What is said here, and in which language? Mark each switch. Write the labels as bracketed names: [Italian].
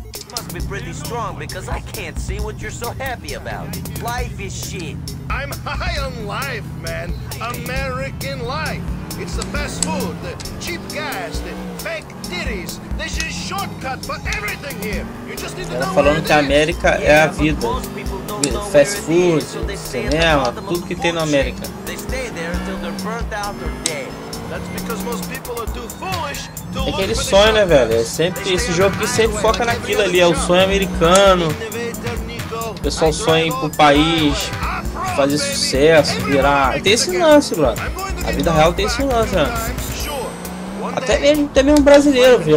[English] Must be pretty strong because I can't see what you're so happy about. Life is shit. I'm high on life, man. American life. It's the fast food, the cheap gas, the fake titties. This is shortcut for everything here. You just need to know. [Portuguese] Falando que a América é a vida. Fast food, cinema, tudo que tem na América. [English] They stay there until they're burnt out or dead. That's because most people are too foolish. [Portuguese] É aquele sonho, né, velho? É sempre, esse jogo que sempre foca naquilo ali, é o sonho americano. O pessoal sonha ir pro país, fazer sucesso, virar. Tem esse lance, brother. A vida real tem esse lance, né? Até mesmo brasileiro, viu?